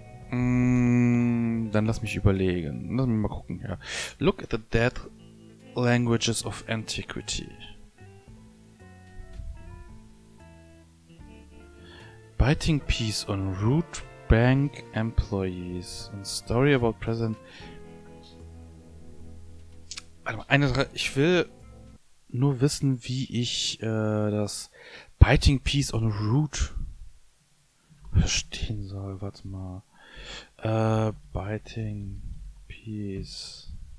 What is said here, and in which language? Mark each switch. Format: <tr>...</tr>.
<de>Dann lass mich überlegen. Lass mich mal gucken hier. Ja.</de> <en>Look at the dead languages of antiquity. Biting piece on root bank employees. And story about present.</en> <de>Warte mal, eine Sache. Ich will nur wissen, wie ich das</de> <en>Biting piece on root</en> <de>verstehen soll. Warte mal.</de> <en>Biting piece.</en>